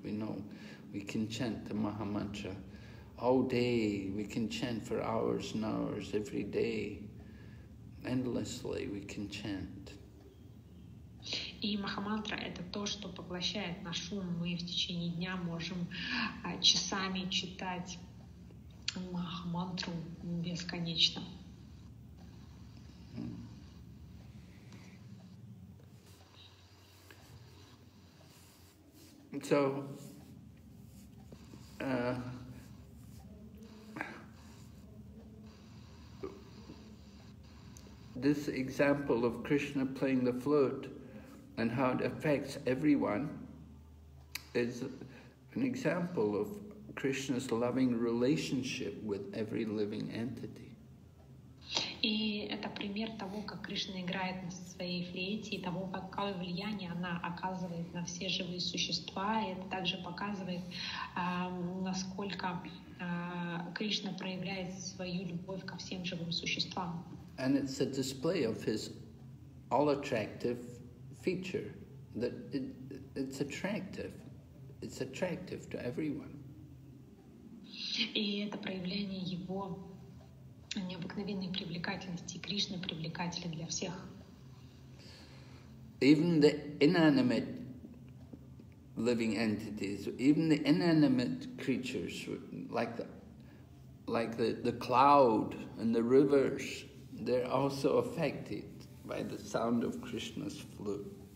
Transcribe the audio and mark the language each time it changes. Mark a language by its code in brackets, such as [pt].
[en] We know we can chant the Maha Mantra all day. We can chant for hours and hours every day. Endlessly we can chant. [ru] И Махамантра — это то, что поглощает наш ум. Мы в течение дня можем часами читать Махамантру бесконечно. [en] So this example of Krishna playing the flute and how it affects everyone is an example of Krishna's loving relationship with every living entity. [ru] И это пример того, как Кришна играет на своей флейте, и того, какое влияние она оказывает на все живые существа. И это также показывает, насколько Кришна проявляет свою любовь ко всем живым существам. [en] And it's a display of his all-attractive feature, that it's attractive. It's attractive to everyone. [ru] И это проявление его необыкновенной привлекательности. Кришна привлекателен для всех. [en] Even the inanimate living entities, even the inanimate creatures, like the cloud and the rivers, they're also affected by the sound of Krishna's flute.